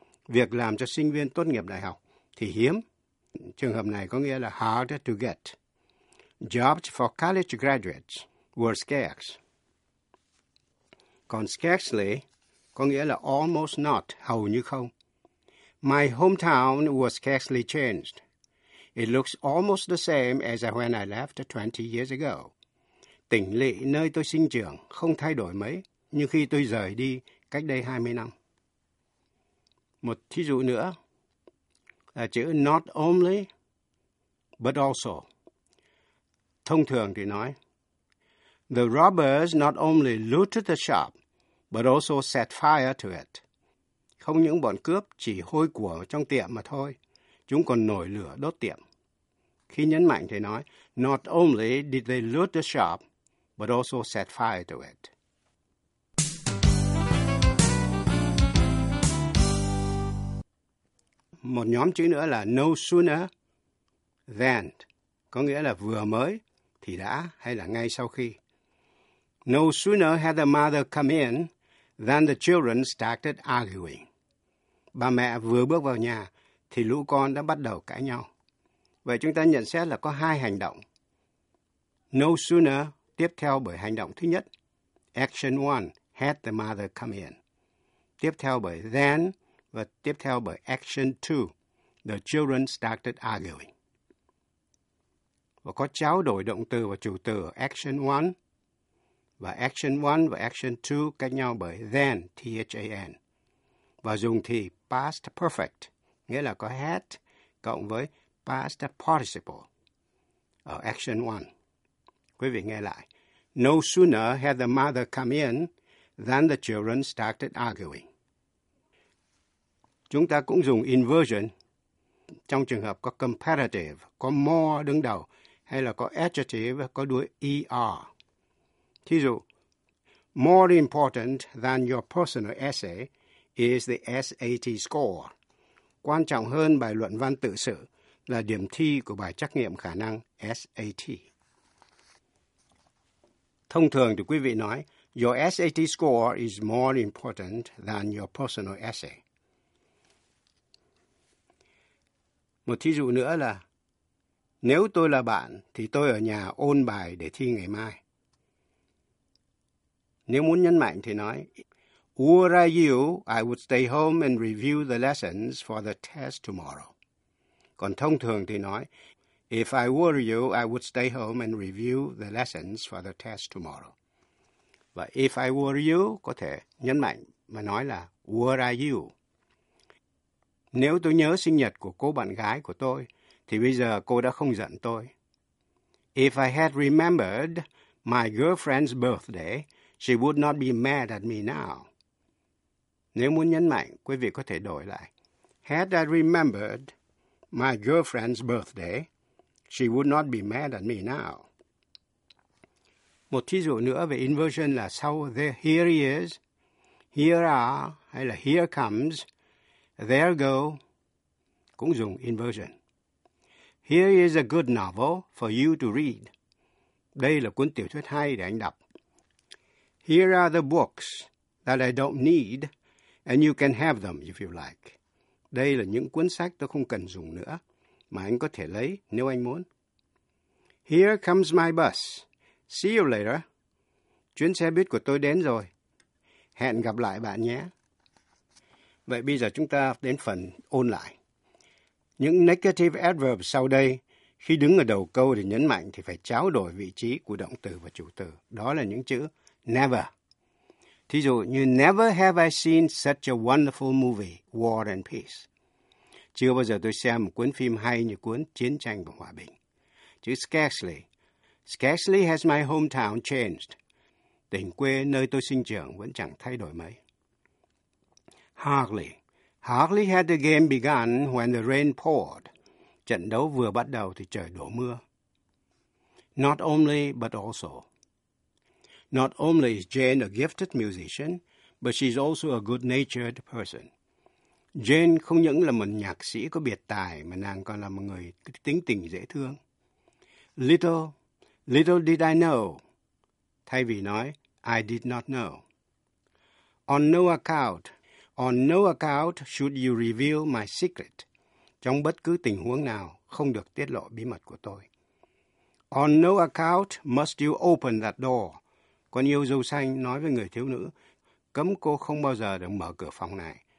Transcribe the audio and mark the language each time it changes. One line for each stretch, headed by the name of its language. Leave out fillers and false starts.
Vietnamese: Việc làm cho sinh viên tốt nghiệp đại học thì hiếm. Trường hợp này có nghĩa là
English: harder to get. Jobs for college graduates were scarce. Còn scarcely
Vietnamese: có nghĩa là
English: almost not,
Vietnamese: hầu như không.
English: My hometown was scarcely changed. It looks almost the same as when I left 20 years ago.
Vietnamese: Tỉnh lỵ nơi tôi sinh trưởng không thay đổi mấy như khi tôi rời đi cách đây 20 năm. Một thí dụ nữa là chữ
English: not only but also.
Vietnamese: Thông thường thì nói,
English: the robbers not only looted the shop, but also set fire to it.
Vietnamese: Không những bọn cướp chỉ hôi của trong tiệm mà thôi, chúng còn nổi lửa đốt tiệm. Khi nhấn mạnh thì nói,
English: not only did they loot the shop, but also set fire to it.
Vietnamese: Một nhóm chữ nữa là
English: no sooner than,
Vietnamese: có nghĩa là vừa mới. Thì đã hay là ngay sau khi.
English: No sooner had the mother come in than the children started arguing.
Vietnamese: Bà mẹ vừa bước vào nhà thì lũ con đã bắt đầu cãi nhau. Vậy chúng ta nhận xét là có hai hành động.
English: No sooner
Vietnamese: tiếp theo bởi hành động thứ nhất.
English: Action one, had the mother come in.
Vietnamese: Tiếp theo bởi then và tiếp theo bởi
English: action two, the children started arguing.
Vietnamese: Và có trao đổi động từ và chủ từ action 1 và action 1 và action 2 cách nhau bởi than, T-H-A-N. và dùng thì past perfect, nghĩa là có had cộng với past participle ở action 1. Quý vị nghe lại.
English: No sooner had the mother come in than the children started arguing.
Vietnamese: Chúng ta cũng dùng inversion trong trường hợp có comparative, có more đứng đầu, hay là có adjective có đuôi er.
English: Thí dụ, more important than your personal essay is the SAT score.
Vietnamese: Quan trọng hơn bài luận văn tự sự là điểm thi của bài trắc nghiệm khả năng SAT. Thông thường thì quý vị nói,
English: your SAT score is more important than your personal essay.
Vietnamese: Một thí dụ nữa là, nếu tôi là bạn thì tôi ở nhà ôn bài để thi ngày mai. Nếu muốn nhấn mạnh thì nói,
English: were I you, I would stay home and review the lessons for the test tomorrow.
Vietnamese: Còn thông thường thì nói,
English: if I were you, I would stay home and review the lessons for the test tomorrow.
Vietnamese: Và
English: if I were you
Vietnamese: có thể nhấn mạnh mà nói là
English: were I you.
Vietnamese: Nếu tôi nhớ sinh nhật của cô bạn gái của tôi, thì bây giờ cô đã không giận tôi.
English: If I had remembered my girlfriend's birthday, she would not be mad at me now.
Vietnamese: Nếu muốn nhấn mạnh, quý vị có thể đổi lại.
English: Had I remembered my girlfriend's birthday, she would not be mad at me now.
Vietnamese: Một thí dụ nữa về inversion là sau there,
English: here he is,
Vietnamese: here are, hay là
English: here comes, there go,
Vietnamese: cũng dùng inversion.
English: Here is a good novel for you to read.
Vietnamese: Đây là cuốn tiểu thuyết hay để anh đọc.
English: Here are the books that I don't need, and you can have them if you like.
Vietnamese: Đây là những cuốn sách tôi không cần dùng nữa, mà anh có thể lấy nếu anh muốn.
English: Here comes my bus. See you later.
Vietnamese: Chuyến xe buýt của tôi đến rồi. Hẹn gặp lại bạn nhé. Vậy bây giờ chúng ta đến phần ôn lại. Những negative adverbs sau đây, khi đứng ở đầu câu để nhấn mạnh thì phải tráo đổi vị trí của động từ và chủ từ. Đó là những chữ
English: never.
Vietnamese: Thí dụ như
English: never have I seen such a wonderful movie, War and Peace.
Vietnamese: Chưa bao giờ tôi xem một cuốn phim hay như cuốn Chiến tranh và Hòa bình. Chữ scarcely.
English: Scarcely has my hometown changed.
Vietnamese: Tỉnh quê nơi tôi sinh trưởng vẫn chẳng thay đổi mấy.
English: Hardly. Hardly had the game begun when the rain poured.
Vietnamese: Trận đấu vừa bắt đầu thì trời đổ mưa.
English: Not only, but also. Not only is Jane a gifted musician, but she's also a good-natured person.
Vietnamese: Jane không những là một nhạc sĩ có biệt tài, mà nàng còn là một người tính tình dễ thương.
English: Little did I know.
Vietnamese: Thay vì nói,
English: I did not know. On no account should you reveal my secret.
Vietnamese: Trong bất cứ tình huống nào, không được tiết lộ bí mật của tôi.
English: On no account must you open that door.
Vietnamese: Con yêu dâu xanh nói với người thiếu nữ, cấm cô không bao giờ được mở cửa phòng này.